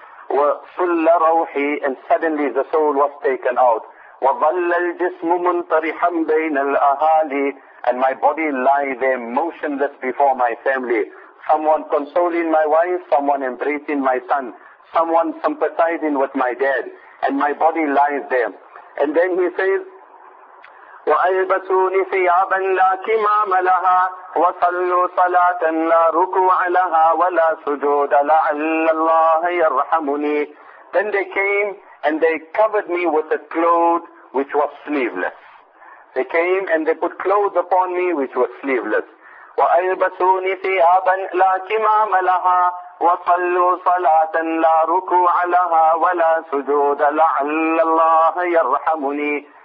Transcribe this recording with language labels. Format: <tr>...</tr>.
<ar>وَصُلَّ رَوْحِي,</ar> <en>and suddenly the soul was taken out.</en> <ar>وَظَلَّ الْجِسْمُ مُنْطَرِحًا بَيْنَ الْأَهَالِي,</ar> <en>and my body lie there motionless before my family. Someone consoling my wife, someone embracing my son, someone sympathizing with my dad, and my body lies there. And then he says,</en> <ar>وَأَلْبَسُونِ ثِيَابًا لَا كِمَامَ لَهَا وَصَلُّوا صَلَاةً لَا رُكُوعَ لَهَا وَلَا سُجُودَ لَعَلَّ اللَّهَ يَرْحَمُنِي.</ar> <en>Then they came and they covered me with a cloth which was sleeveless. They came and they put clothes upon me which were sleeveless.</en> <ar>وَأَلْبَسُونِ ثِيَابًا لَا كِمَامَ لَهَا وَصَلُّوا صَلَاةً لَا رُكُوعَ لَهَا وَلَا سُجُودَ لَعَلَّ اللَّهَ يَرْحَمُنِي.</ar>